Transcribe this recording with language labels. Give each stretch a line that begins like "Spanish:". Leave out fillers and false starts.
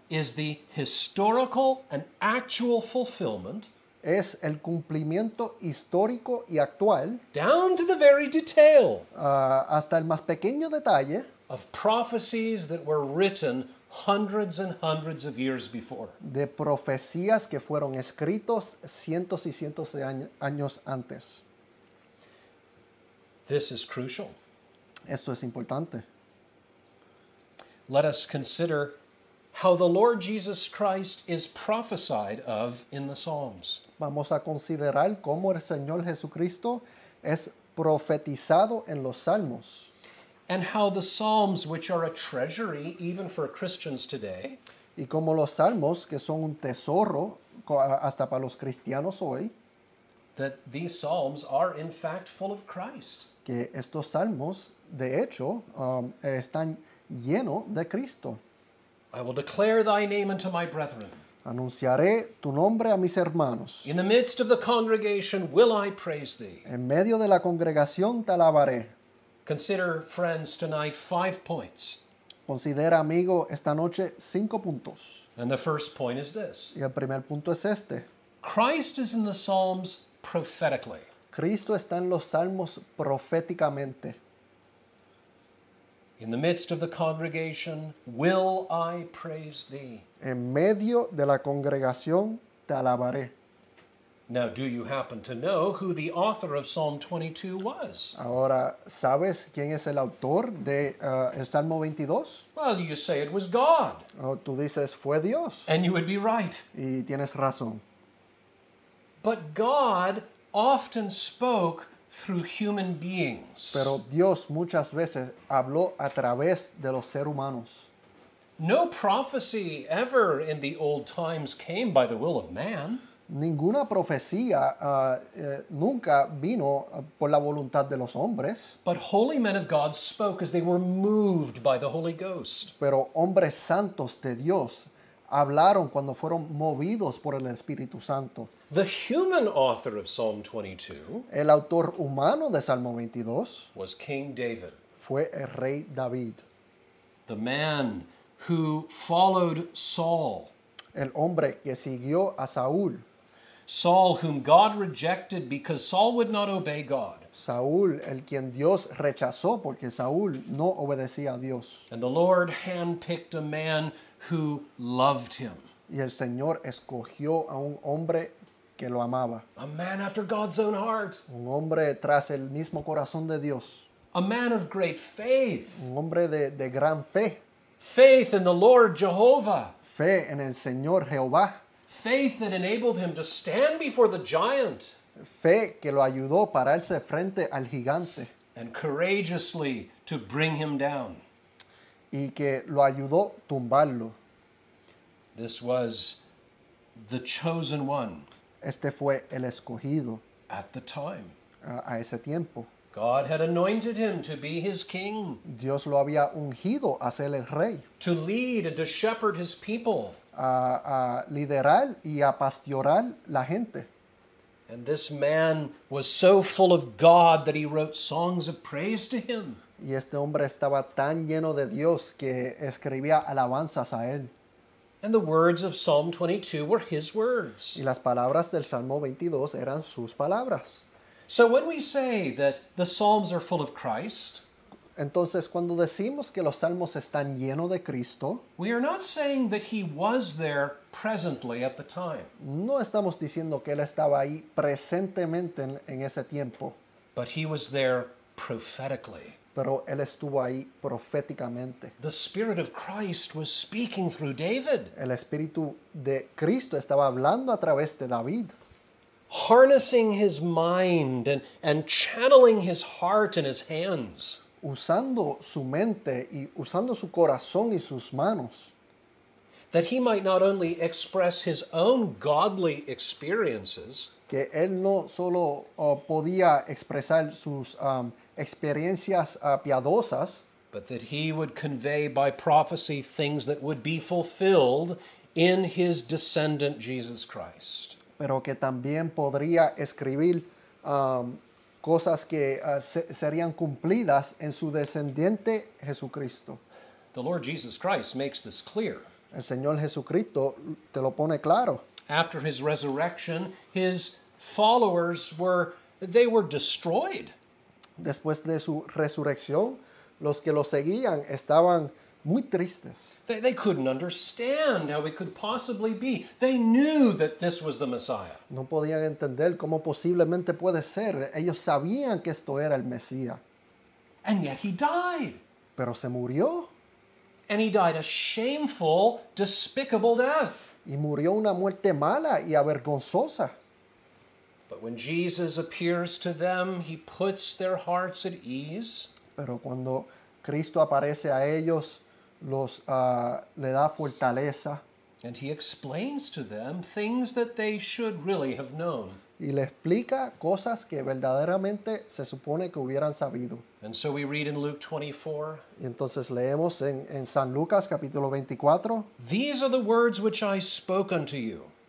English: is the historical and actual fulfillment,
Spanish: es el cumplimiento histórico y actual,
English: down to the very detail,
Spanish: hasta el más pequeño detalle,
English: of prophecies that were written hundreds and hundreds of years before.
Spanish: De profecías que fueron escritos cientos y cientos de años antes.
English: This is crucial.
Spanish: Esto es importante.
English: Let us consider how the Lord Jesus Christ is prophesied of in the Psalms.
Spanish: Vamos a considerar cómo el Señor Jesucristo es profetizado en los Salmos.
English: And how the Psalms, which are a treasury even for Christians today,
Spanish: y cómo los Salmos, que son un tesoro hasta para los cristianos hoy,
English: that these Psalms are in fact full of Christ.
Spanish: Que estos Salmos, de hecho, están lleno de Cristo.
English: I will declare thy name unto my brethren.
Spanish: Anunciaré tu nombre a mis hermanos.
English: In the midst of the congregation will I praise thee.
Spanish: En medio de la congregación te alabaré.
English: Consider, friends, tonight 5 points.
Spanish: Considera, amigo, esta noche 5 puntos.
English: And the first point is this.
Spanish: Y el primer punto es este.
English: Christ is in the Psalms prophetically.
Spanish: Cristo está en los Salmos proféticamente.
English: In the midst of the congregation will I praise thee.
Spanish: En medio de la congregación te alabaré.
English: Now, do you happen to know who the author of Psalm 22 was?
Spanish: Ahora, ¿sabes quién es el autor de el Salmo 22?
English: Well, you say it was God.
Spanish: Oh, tú dices, fue Dios.
English: And you would be right.
Spanish: Y tienes razón.
English: But God often spoke through human beings.
Spanish: Pero Dios muchas veces habló a través de los seres humanos.
English: No prophecy ever in the old times came by the will of man.
Spanish: Ninguna profecía nunca vino por la voluntad de los hombres.
English: But holy men of God spoke as they were moved by the Holy Ghost.
Spanish: Pero hombres santos de Dios hablaron cuando fueron movidos por el Espíritu Santo.
English: The human author of Psalm 22,
Spanish: el autor humano de Salmo 22,
English: was King David.
Spanish: Fue el rey David.
English: The man who followed Saul.
Spanish: El hombre que siguió a Saúl.
English: Saul, whom God rejected because Saul would not obey God.
Spanish: Saúl, el quien Dios rechazó porque Saúl no obedecía a Dios.
English: And the Lord handpicked a man who loved him.
Spanish: Y el Señor escogió a un hombre que lo amaba.
English: A man after God's own heart.
Spanish: Un hombre tras el mismo corazón de Dios.
English: A man of great faith.
Spanish: Un hombre de gran fe.
English: Faith in the Lord Jehovah.
Spanish: Fe en el Señor Jehová.
English: Faith that enabled him to stand before the giant.
Spanish: Fe que lo ayudó a pararse frente al gigante.
English: And courageously to bring him down.
Spanish: Y que lo ayudó a tumbarlo.
English: This was the chosen one.
Spanish: Este fue el escogido.
English: At the time.
Spanish: A ese tiempo.
English: God had anointed him to be his king.
Spanish: Dios lo había ungido a ser el rey.
English: To lead and to shepherd his people.
Spanish: A liderar y a pastorear la gente.
English: And this man was so full of God that he wrote songs of praise to him.
Spanish: Y este hombre estaba tan lleno de Dios que escribía alabanzas a él.
English: And the words of Psalm 22 were his words.
Spanish: Y las palabras del Salmo 22 eran sus palabras.
English: So when we say that the Psalms are full of Christ,
Spanish: entonces cuando decimos que los Salmos están llenos de Cristo,
English: we are not saying that he was there presently at the time.
Spanish: No estamos diciendo que él estaba ahí presentemente en ese tiempo.
English: But he was there prophetically.
Spanish: Pero él estuvo ahí proféticamente.
English: The Spirit of Christ was speaking through David.
Spanish: El Espíritu de Cristo estaba hablando a través de David.
English: Harnessing his mind and channeling his heart and his hands.
Spanish: Usando su mente y usando su corazón y sus manos.
English: That he might not only express his own godly experiences.
Spanish: Que él no solo podía expresar sus experiencias piadosas.
English: But that he would convey by prophecy things that would be fulfilled in his descendant Jesus Christ.
Spanish: Pero que también podría escribir cosas que serían cumplidas en su descendiente Jesucristo.
English: The Lord Jesus Christ makes this clear.
Spanish: El Señor Jesucristo te lo pone claro.
English: After his resurrection, his followers were destroyed.
Spanish: Después de su resurrección, los que lo seguían estaban muy tristes.
English: They couldn't understand how it could possibly be. They knew that this was the Messiah.
Spanish: No podían entender cómo posiblemente puede ser. Ellos sabían que esto era el Mesías.
English: And yet he died.
Spanish: Pero se murió.
English: And he died a shameful, despicable death.
Spanish: Y murió una muerte mala y avergonzosa.
English: But when Jesus appears to them, he puts their hearts at ease.
Spanish: Pero cuando Cristo aparece a ellos, los le da fortaleza.
English: And he explains to them things that they should really have known.
Spanish: y le explica cosas que verdaderamente se supone que hubieran sabido.
English: And so we read in Luke 24.
Spanish: Y entonces leemos en San Lucas capítulo 24.
English: These are the words which I spoke unto you.